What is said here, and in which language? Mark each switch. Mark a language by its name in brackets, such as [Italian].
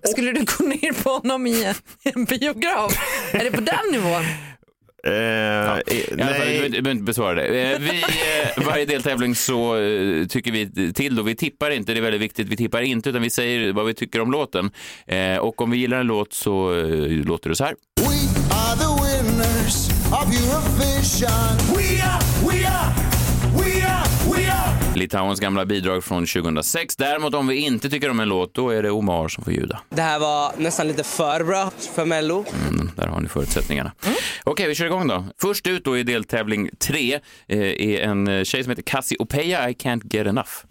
[Swedish] Skulle du gå ner på honom i en biograf? Är det på den nivån? Nej. Alltså, du behöver inte besvara det. Varje deltävling så tycker vi till då. Vi tippar inte, det är väldigt viktigt. Vi tippar inte, utan vi säger vad vi tycker om låten. Och om vi gillar en låt så låter det så här. [English] We are the winners of Eurovision. We are. [Swedish] Litauens gamla bidrag från 2006. Däremot om vi inte tycker om en låt, då är det Omar som får ljuda. Det här var nästan lite för bra för Mello. Där har ni förutsättningarna. Okej, vi kör igång då. Först ut då i deltävling 3 är en tjej som heter Cassie Opeia, I Can't Get Enough.